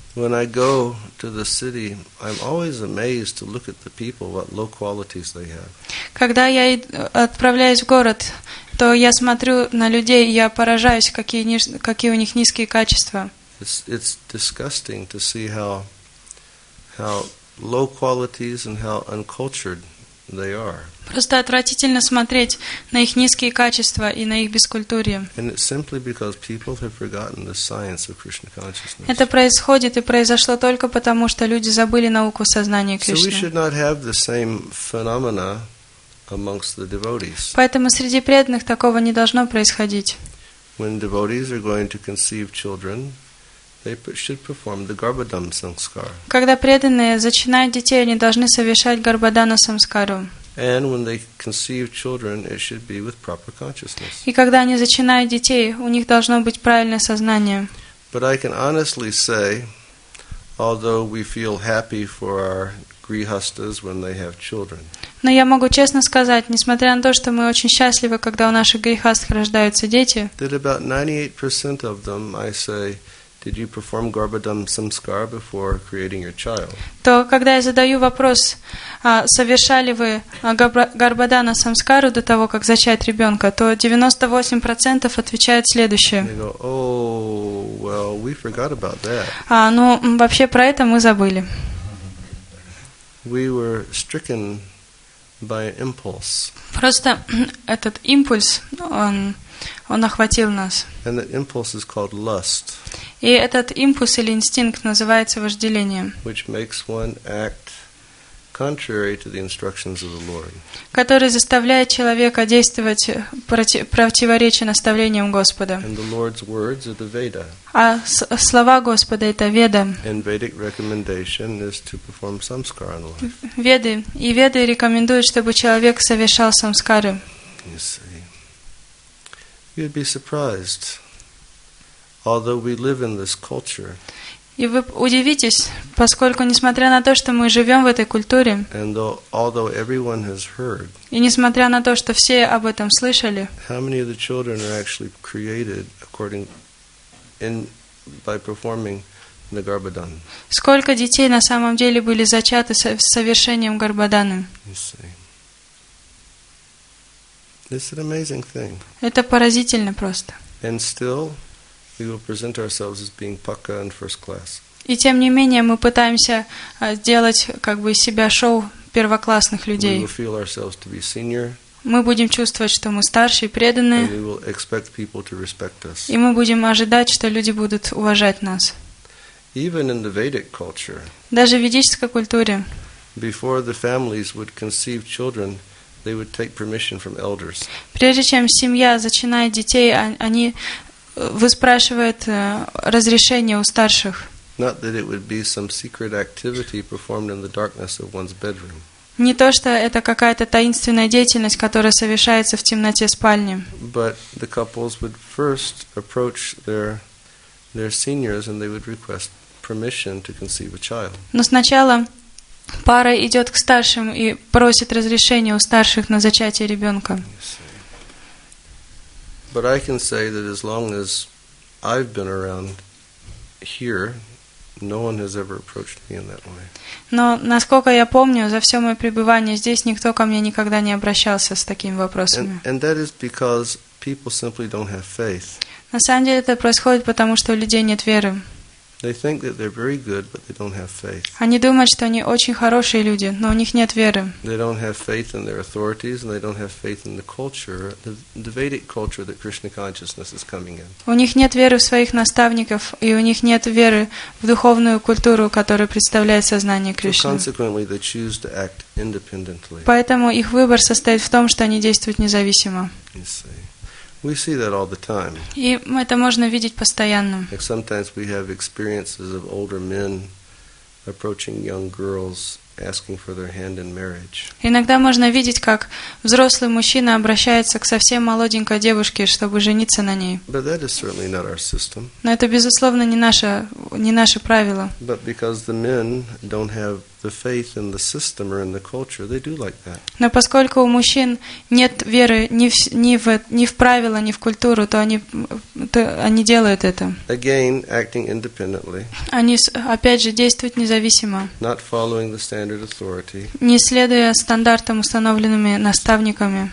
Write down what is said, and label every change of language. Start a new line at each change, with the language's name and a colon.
English: When I go to the city, I'm always amazed to look at the people, what low qualities they have.
Russian: Когда я отправляюсь в город, то я смотрю на людей, и я поражаюсь, какие у них низкие качества.
English: It's disgusting to see how low qualities and how uncultured they are.
Russian: Просто отвратительно смотреть на их низкие качества и на их бескультурье.
English: And it's simply because people have forgotten the science of Krishna consciousness.
Russian: Это происходит и произошло только потому, что люди забыли науку сознания Кришны.
English: So we should not have the same phenomena amongst the devotees.
Russian: Поэтому среди преданных такого не должно происходить.
English: When devotees are going to conceive children, they should perform the Garbhadana Samskara.
Russian: Когда преданные зачинают детей, они должны совершать Гарбхадана Самскару.
English: And when they conceive children, it should be with proper consciousness.
Russian: И когда они зачинают детей, у них должно быть правильное сознание.
English: But I can honestly say, although we feel happy for our grihasthas when they have children.
Russian: Но я могу честно сказать, несмотря на то, что мы очень счастливы, когда у наших грихастх рождаются дети.
English: That about 98% of them, I say, did you perform Garbhadana Samskara before creating your child?
Russian: То, когда я задаю вопрос, совершали вы Гарбхадана Самскару до того, как зачать ребенка, то 98% отвечают следующее.
English: They go, oh, well, we forgot about that.
Russian: Ну, вообще про это мы забыли.
English: We were stricken by impulse.
Russian: Просто этот импульс, он охватил нас.
English: And that impulse is called lust.
Russian: И этот импульс или инстинкт называется вожделением.
English: Which makes one act contrary to the instructions of the Lord.
Russian: Который заставляет человека действовать противоречие наставлениям Господа.
English: And the Lord's words are the Veda.
Russian: А слова Господа это Веда.
English: And Vedic recommendation is to perform samskara in life.
Russian: Веды. И Веды рекомендуют, чтобы человек совершал самскары.
English: You see. You'd be surprised. Although we live in this culture.
Russian: И вы удивитесь, поскольку несмотря на то, что мы живем в этой культуре, и несмотря на то, что все об этом слышали,
English: how many of the children are actually created according in by performing the Garbhadan?
Russian: Сколько детей на самом деле были зачаты с совершением Гарбхаданы?
English: It's an amazing thing.
Russian: Это поразительно просто.
English: And still, we will present ourselves as being pukka and first class.
Russian: И тем не менее мы пытаемся сделать как бы себя шоу первоклассных людей.
English: We will feel ourselves to be senior.
Russian: Мы будем чувствовать, что мы старшие, преданные.
English: And we will expect people to respect us.
Russian: И мы будем ожидать, что люди будут уважать нас.
English: Even in the Vedic culture.
Russian: Даже в ведической культуре.
English: Before the families would conceive children, they would take permission from elders.
Russian: Прежде чем семья зачинает детей, они выспрашивает разрешение у старших.
English: Not that it would be some secret activity performed in the darkness of one's bedroom.
Russian: Не то, что это какая-то таинственная деятельность, которая совершается в темноте спальни.
English: But the couples would first approach their seniors and they would request permission to conceive a child.
Russian: Но сначала пара идет к старшим и просит разрешения у старших на зачатие ребенка.
English: But I can say that as long as I've been around here, no one has ever approached me in that way.
Russian: Но насколько я помню, за все мое пребывание здесь никто ко мне никогда не обращался с такими вопросами.
English: And that is because people simply don't have faith.
Russian: На самом деле это происходит потому, что у людей нет веры.
English: They think that they're very good, but they don't have faith.
Russian: Они думают, что они очень хорошие люди, но у них нет веры.
English: They don't have faith in their authorities, and they don't have faith in the culture, the Vedic culture that Krishna consciousness is coming in.
Russian: У них нет веры в своих наставников, и у них нет веры в духовную культуру, которая представляет сознание Кришны.
English: So consequently, they choose to act independently.
Russian: Поэтому их выбор состоит в том, что они действуют независимо.
English: We see that all the time.
Russian: И это можно видеть постоянно.
English: Like sometimes we have experiences of older men approaching young girls, asking for their hand in marriage.
Russian: Иногда можно видеть, как взрослый мужчина обращается к совсем молоденькой девушке, чтобы жениться на ней.
English: But that is certainly not our system.
Russian: Но это безусловно не наше правило.
English: But because the men don't have the faith in the system or in the culture, they do like that.
Russian: Но поскольку у мужчин нет веры ни в правила, ни в культуру, то они делают это.
English: Again, acting independently.
Russian: Они опять же действуют независимо.
English: Not following the standard authority.
Russian: Не следуя стандартам, установленными наставниками.